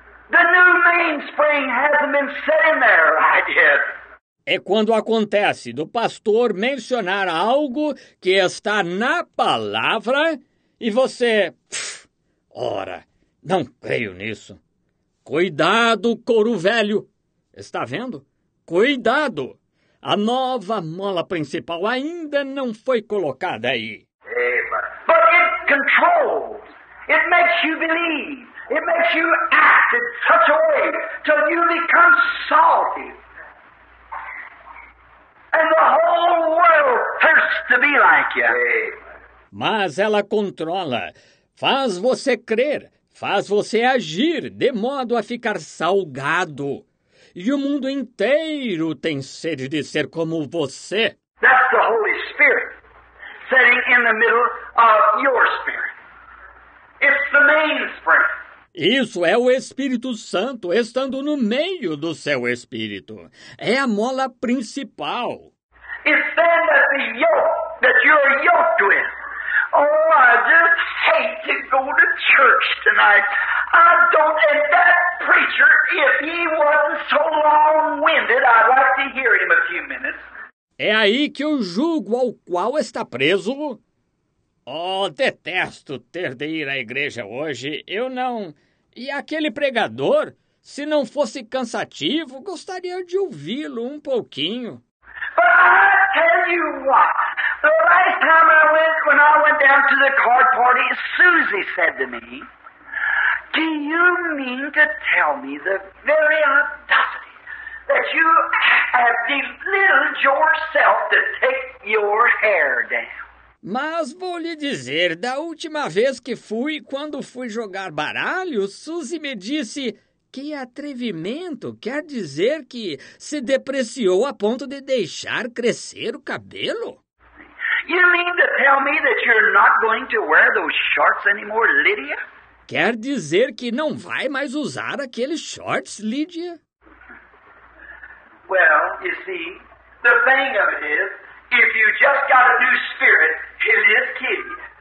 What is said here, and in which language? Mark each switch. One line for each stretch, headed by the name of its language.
English: The new mainspring hasn't been set in there right yet.
Portuguese: É quando acontece do pastor mencionar algo que está na palavra e você, ora, não creio nisso. Cuidado, couro velho. Está vendo? Cuidado. A nova mola principal ainda não foi colocada aí.
English: But it controls. It makes you believe. It makes you act in such a way till you become salty. And the whole world thirsts to be like you.
Portuguese: Mas ela controla, faz você crer, faz você agir de modo a ficar salgado. E o mundo inteiro tem sede de ser como você.
English: That's the Holy Spirit sitting in the middle of your spirit. It's the mainspring.
Portuguese: Isso é o Espírito Santo estando no meio do seu espírito. É a mola principal.
English: It's then that the yoke that you're yoked with. Oh, I just hate to go to church tonight. I don't, and that preacher, if he wasn't so long-winded, I'd like to hear him a few minutes.
Portuguese: É aí que o jugo ao qual está preso. Oh, detesto ter de ir à igreja hoje. Eu não. E aquele pregador, se não fosse cansativo, gostaria de ouvi-lo um pouquinho.
English: But I tell you what. The last time I went, when I went down to the card party, Susie said to me, do you mean to tell me the very audacity that you have belittled yourself to take your hair down?
Portuguese: Mas vou lhe dizer, da última vez que fui, quando fui jogar baralho, Suzy me disse, que atrevimento quer dizer que se depreciou a ponto de deixar crescer o cabelo?
English: You mean to tell me that you're not going to wear those shorts anymore, Lydia?
Portuguese: Quer dizer que não vai mais usar aqueles shorts, Lydia?
English: Well, you see, the thing of it is, if you just got a new spirit, it is kidding.